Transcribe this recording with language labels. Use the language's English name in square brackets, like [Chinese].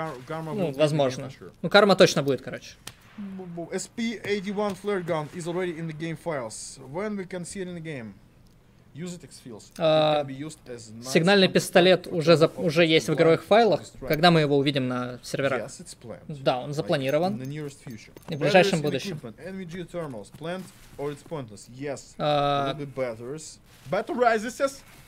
[Russian] Ну, возможно. Ну, карма точно будет, короче. [English] SP-81 flare gun is already in the game files. When we can see it in the game, use it exfils. [Russian] Сигнальный пистолет уже уже есть в игровых файлах. Когда мы его увидим на серверах? Да, он запланирован. В ближайшем будущем. [English] NVG thermals planned or it's pointless? Yes. Batterizes.